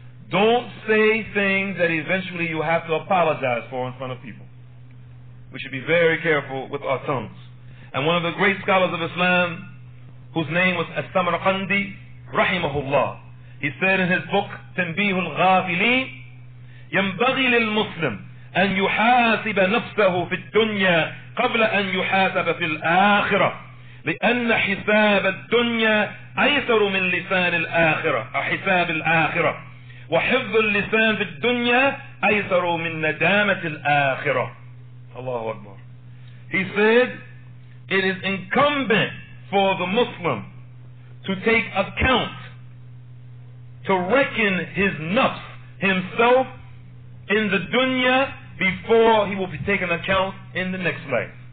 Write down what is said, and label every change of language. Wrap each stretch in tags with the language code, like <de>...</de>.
<en>Don't say things that eventually you have to apologize for in front of people. We should be very careful with our tongues. And one of the great scholars of Islam, whose name was As-Samarqandi, rahimahullah, he said in his book,</en> <ar>تنبيه الغافلين, ينبغي للمسلم أن يحاسب نفسه في الدنيا قبل أن يحاسب في الآخرة لأن حساب الدنيا أيسر من لسان الآخرة حساب الآخرة وحفظ اللسان في الدنيا أيسر من ندامة الآخرة. الله أكبر.</ar> <en>He said, it is incumbent for the Muslim to take account, to reckon his nafs, himself, in the dunya before he will be taken account in the next life.</en>